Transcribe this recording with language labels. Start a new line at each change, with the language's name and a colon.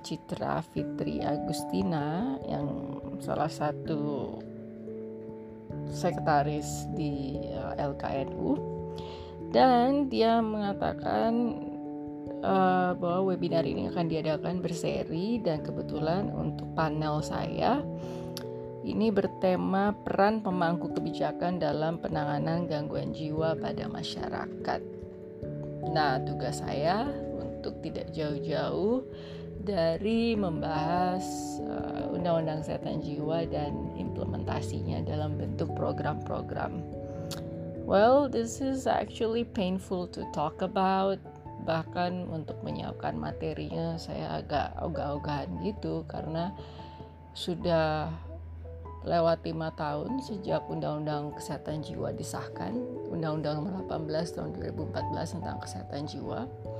Indonesian: Citra Fitri Agustina yang salah satu sekretaris di LKNU, dan dia mengatakan bahwa webinar ini akan diadakan berseri, dan kebetulan untuk panel saya ini bertema peran pemangku kebijakan dalam penanganan gangguan jiwa pada masyarakat. Nah, tugas saya untuk tidak jauh-jauh dari membahas undang-undang kesehatan jiwa dan implementasinya dalam bentuk program-program.
English: Well, this is actually painful to talk about.
Indonesian: Bahkan untuk menyiapkan materinya saya agak ogah-ogahan gitu, karena sudah lewat 5 tahun sejak Undang-Undang Kesehatan Jiwa disahkan, Undang-Undang nomor 18 tahun 2014 tentang kesehatan jiwa.